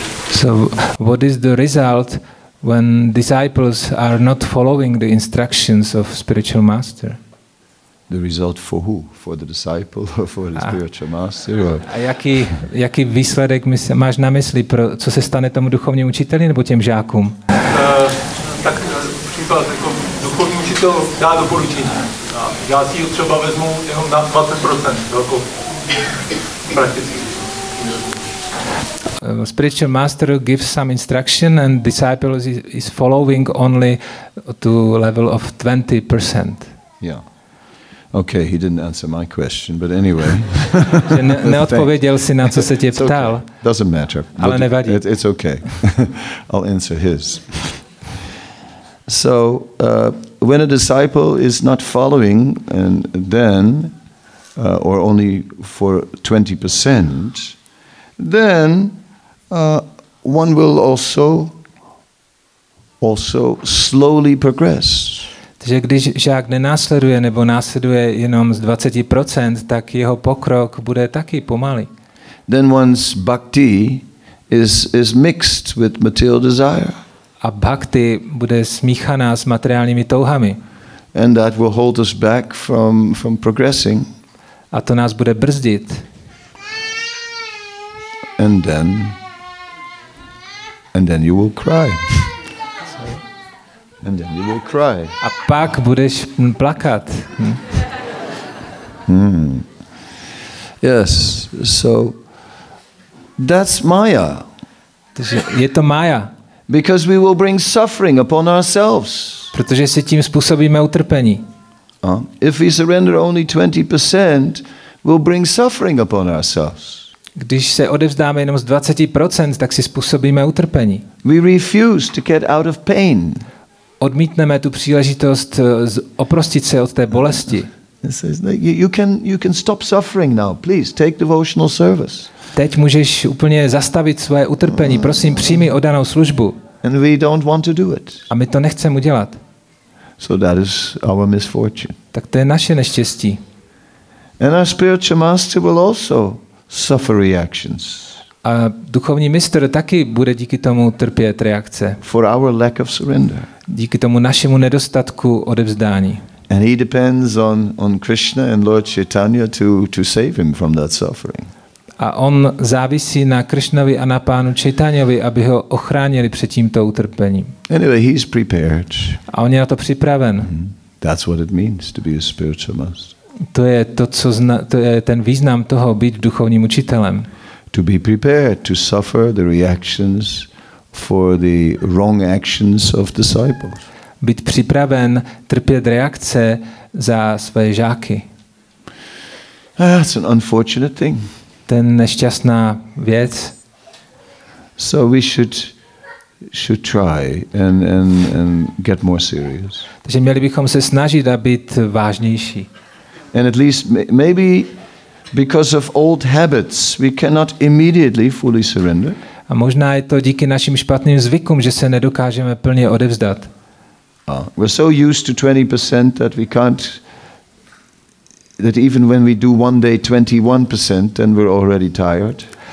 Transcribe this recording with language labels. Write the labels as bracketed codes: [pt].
[en] So what is the result when disciples are not following the instructions of spiritual master? The result for who? For the disciple or for the spiritual master? Or? [cs] A jaký výsledek máš na mysli? Co se stane tomu duchovnímu učiteli nebo těm žákům? Tak příklad, jako duchovní učitel dá doporučení. Já si ho třeba vezmu jenom na 20%, jako prakticky. [en] Spiritual master gives some instruction and disciple is following only to level of 20%. Yeah. Okay, he didn't answer my question, but anyway. [cs] Neodpověděl si na co se tě ptal. [en] Okay. Doesn't matter. [cs] Ale nevadí. [en] It's okay. I'll answer his. So, when a disciple is not following and then or only for 20%, then one will also slowly progress. [cs] Takže když žák nenásleduje nebo následuje jenom z 20%, tak jeho pokrok bude taky pomalý. [en] Then one's bhakti is mixed with material desire. [cs] A bhakti bude smíchaná s materiálními touhami. [en] And that will hold us back from progressing. [cs] A to nás bude brzdit. [en] And then you will cry. And then you will cry. [cs] A pak budeš plakat. [en] Yes. So that's Maya. [cs] Je to Maya. [en] Because we will bring suffering upon ourselves. [cs] Protože si tím způsobíme utrpení. [en] If we surrender only 20%, we'll bring suffering upon ourselves. [cs] Když se odevzdáme jenom z 20%, tak si způsobíme utrpení. [en] We refuse to get out of pain. [cs] Odmítneme tu příležitost oprostit se od té bolesti. [en] You can stop suffering now. Please take devotional service. [cs] Teď můžeš úplně zastavit svoje utrpení. Prosím, přijmi oddanou službu. [en] And we don't want to do it. [cs] A my to nechceme udělat. [en] So that is our misfortune. [cs] Tak to je naše neštěstí. [en] And our spiritual master will also suffer reactions. [cs] A duchovní mistr taky bude díky tomu trpět reakce. [en] For our lack of surrender. [cs] Díky tomu našemu nedostatku odevzdání. [en] And he depends on Krishna and Lord Chaitanya to save him from that suffering. [cs] A on závisí na Krishnovi a na pánu Chaitanyovi, aby ho ochránili před tímto utrpením. [en] Anyway, he's prepared. [cs] A on je na to připraven. Mm-hmm. [en] That's what it means to be a spiritual master. [cs] To je to, co to je ten význam toho být duchovním učitelem. [en] To be prepared to suffer the reactions for the wrong actions of disciples. [cs] Být připraven trpět reakce za své žáky. [en] That's an unfortunate thing. [cs] Ten nešťastná věc. [en] So we should try and get more serious. [cs] Takže měli bychom se snažit a být vážnější. [en] And at least maybe because of old habits we cannot immediately fully surrender. [cs] A možná je to díky našim špatným zvykům, že se nedokážeme plně odevzdat. [en] We're so used to 20% that we can't, that even when we do one day 21%, then we're already tired.